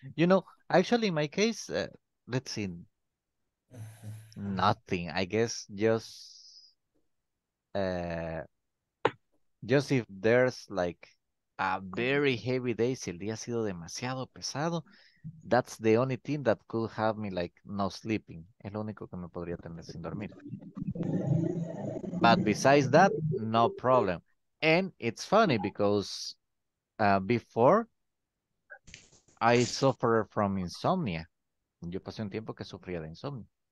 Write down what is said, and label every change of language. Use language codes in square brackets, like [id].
[en] You know, actually, in my case, let's see. Nothing. I guess just if there's like a very heavy day, [es] si el día ha sido demasiado pesado, [en] that's the only thing that could have me like no sleeping. [es] Es lo único que me podría tener sin dormir. [en] But besides that, no problem. And it's funny because before I suffered from insomnia. [es] Yo pasé un tiempo que sufría de insomnio.